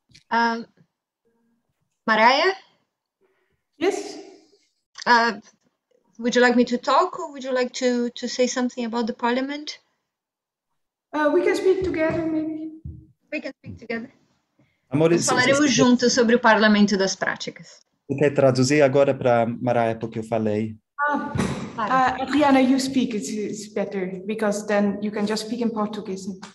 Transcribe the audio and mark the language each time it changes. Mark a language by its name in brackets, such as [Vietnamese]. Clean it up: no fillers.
[English] Mariah? Yes? Would you like me to talk, or would you like to say something about the parliament? We can speak together, maybe. We can speak together. [Portuguese] Amores, falaremos juntos sobre o Parlamento das Práticas. Eu quero traduzir agora para Mariah, porque eu falei. [English] Adriana, you speak, it's better, because then you can just speak in Portuguese.